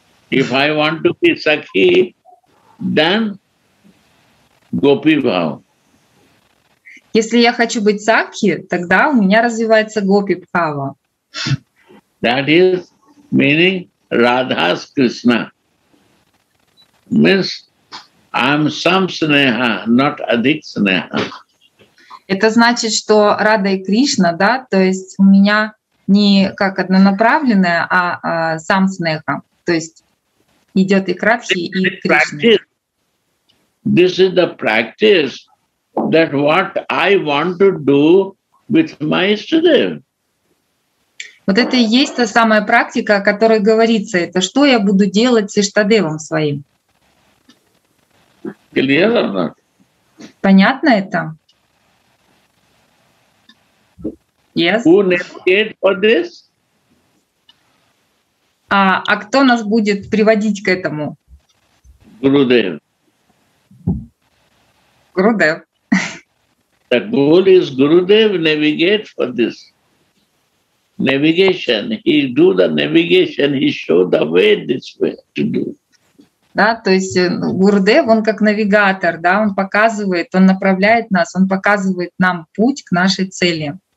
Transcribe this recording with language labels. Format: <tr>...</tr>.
<en>If I want to be Sakhi, then Gopi Bhav.</en> <ru>Если я хочу быть Сакхи, тогда у меня развивается Гопи Бхава.</ru> <en>That is meaning Radha's Krishna. Means I'm some Sneha, not Adhik Sneha.</en> <ru>Это значит, что Radha и Krishna, да, то есть у меня не как однонаправленная, а сам Снеха. То есть идет и Кратхи, и Кришна.</ru> <en>This is the practice that what I want to do with my Ishtadev.</en> <ru>Вот это и есть та самая практика, о которой говорится. Это что я буду делать с Ishtadevом своим?</ru> <en>Clear or not?</en> <ru>Понятно это?</ru> <en>Yes. Who navigate for this?</en> <ru>А кто нас будет приводить к этому?</ru> <en>Gurudev.</en> <ru>Gurudev.</ru> <en>The goal is Gurudev navigate for this. Navigation. He do the navigation, he show the way this way to do.</en> <ru>Да, то есть Гурудев, он как навигатор, да, он показывает, он направляет нас, он показывает нам путь к нашей цели.</ru>